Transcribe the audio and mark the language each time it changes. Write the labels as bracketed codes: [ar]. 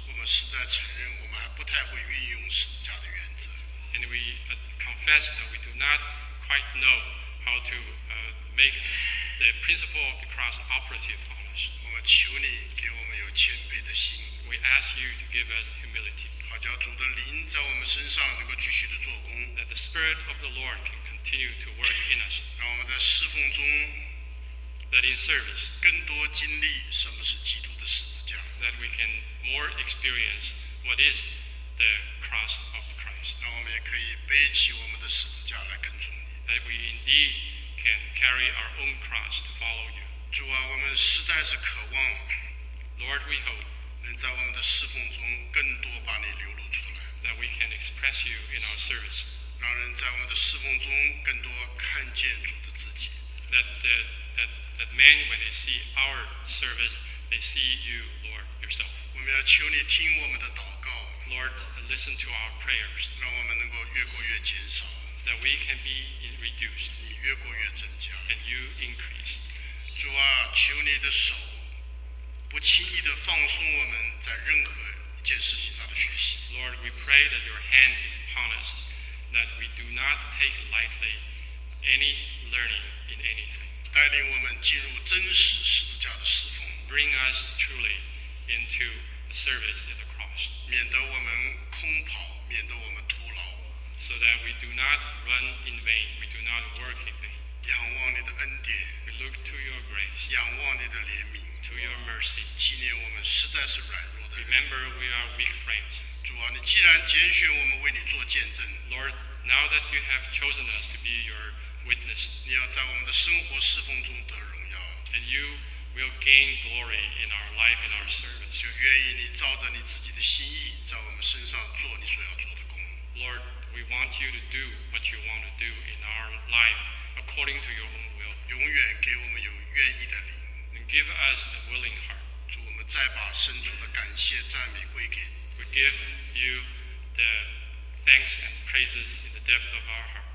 [zh] 我们实在承认我们还不太会运用十字架的原则。 [en] And we confess that we do not quite know how to make the principle of the cross operative on us. [zh] 我们求你给我们有谦卑的心。 [en] We ask you to give us humility. [zh] 好叫主的灵在我们身上能够继续的做工。 [en] That the spirit of the Lord can continue to work in us. [zh] 让我们在侍奉中 [en] that in service [zh] 更多经历什么是基督的十字架。 [en] That we can more experience what is the cross of Christ. [zh] 让我们也可以背起我们的十字架来跟从你。 [en] That we indeed can carry our own cross to follow you. [zh] 主啊，我们实在是渴望 [en] Lord, we hope [zh] 能在我们的侍奉中更多把你流露出来 [en] that we can express you in our service. [zh] 让人在我们的侍奉中更多看见主的自己 [en] that men, when they see our service, they see you, Lord, yourself. [zh] 我们要求你听我们的祷告 [en] Lord, listen to our prayers. [zh] 让我们能够越过越减少 [en] that we can be reduced. [zh] 越过越增加 [en] and you increase. [zh] 主啊，求你的手不轻易地放松我们在任何一件事情上的学习。 [en] Lord, we pray that your hand is upon us, that we do not take lightly any learning in anything. [zh] 带领我们进入真实十字架的侍奉。 [en] Bring us truly into the service at the cross. [zh] 免得我们空跑，免得我们徒劳。 [en] So that we do not run in vain, we do not work in vain. [zh] 仰望你的恩典 [en] we look to your grace. [zh] 仰望你的怜悯 [en] to your mercy. [zh] 纪念我们实在是软弱的人 [en] remember we are weak frames. [zh] 主啊，你既然拣选我们为你做见证 [en] Lord, now that you have chosen us to be your witness, [zh] 你要在我们的生活侍奉中得荣耀 [en] and you will gain glory in our life, in our service. [zh] 就愿意你照着你自己的心意，在我们身上做你所要做的工 [en] Lord. We want you to do what you want to do in our life according to your own will. [zh] 永远给我们有愿意的灵。 [en] And give us a willing heart. [zh] 主，我们再把深处的感谢赞美归给你。 [en] We give you the thanks and praises in the depth of our heart.